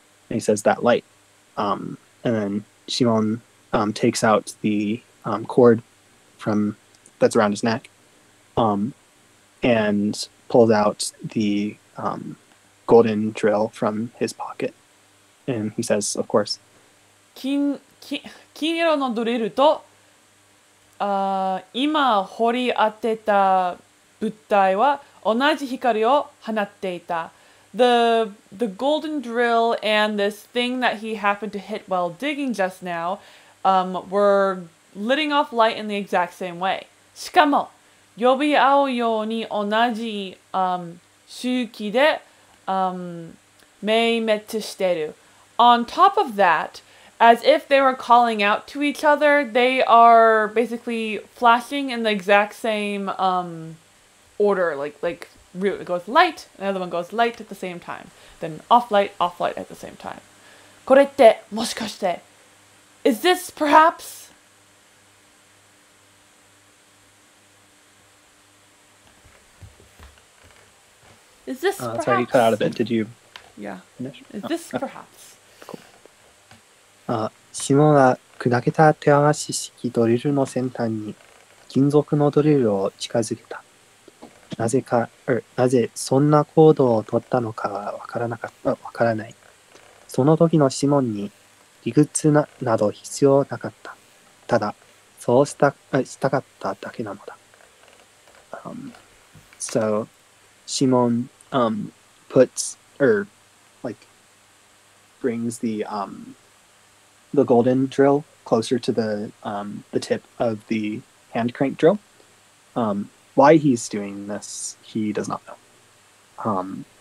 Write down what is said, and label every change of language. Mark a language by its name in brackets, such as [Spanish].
[English] And he says that light, and then Shimon, takes out the, cord from that's around his neck, and pulls out the, golden drill from his pocket. And he says, of course. [Japanese] 金色のドリルと、今掘り当てた物体は同じ光を放っていた。 [English] The golden drill and this thing that he happened to hit while digging just now, were letting off light in the exact same way. [Japanese] しかも、呼び合うように同じ、周期で明滅している。 [English] On top of that, as if they were calling out to each other, they are basically flashing in the exact same order, like it goes light, another one goes light at the same time, then off light at the same time. [Japanese] これってもしかして? [English] Is this perhaps? Is this perhaps? Sorry, you cut out a bit. Did you? Yeah. Is this perhaps? [Japanese] あ、シモンが砕けた手回し式ドリルの先端に金属のドリルを近づけた。なぜか、なぜそんな行動を取ったのかはわからない。その時のシモンに理屈など必要なかった。ただ、そうしたかっただけなのだ。 [English] So, シモン puts, like, brings the, the golden drill closer to the tip of the hand crank drill. Why he's doing this, he does not know.